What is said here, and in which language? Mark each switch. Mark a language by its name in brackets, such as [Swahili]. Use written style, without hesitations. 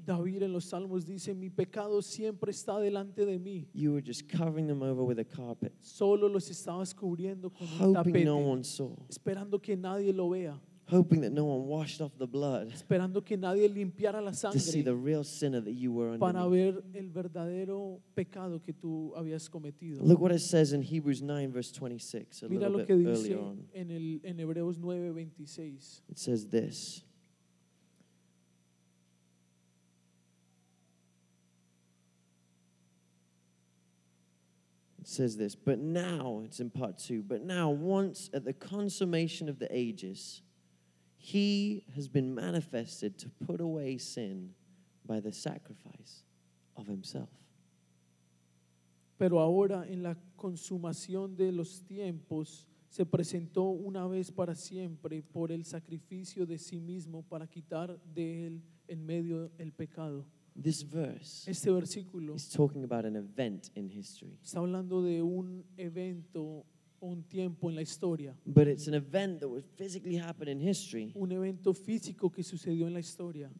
[Spanish] David en los Salmos dice, "Mi pecado siempre está delante de mí." [English] You were just covering them over with a carpet. [Spanish] Solo los estabas cubriendo con un tapete. [English] Hoping no one saw. [Spanish] Esperando que nadie lo vea. [English] hoping that no one washed off the blood, [Spanish] esperando que nadie limpiara la sangre, [English] to see the real sinner that you were underneath. [Spanish] Para ver el verdadero pecado que tú habías cometido. [English] Look what it says in Hebrews 9, verse 26, a [Spanish] Mira [English] little [Spanish] lo que [English] bit [Spanish] dice [English] earlier on. [Spanish] En Hebreos 9, 26. [English] It says this. Says this, but now, it's in part two, but now once at the consummation of the ages, he has been manifested to put away sin by the sacrifice of himself. [Spanish] Pero ahora en la consumación de los tiempos, se presentó una vez para siempre por el sacrificio de sí mismo para quitar de él en medio el pecado. [English] This verse [Spanish] este versículo [English] is talking about an event in history. [Spanish] Está hablando de un evento, un tiempo en la historia. [English] But it's an event that would physically happen in history. [Spanish] Un evento físico que sucedió en la historia.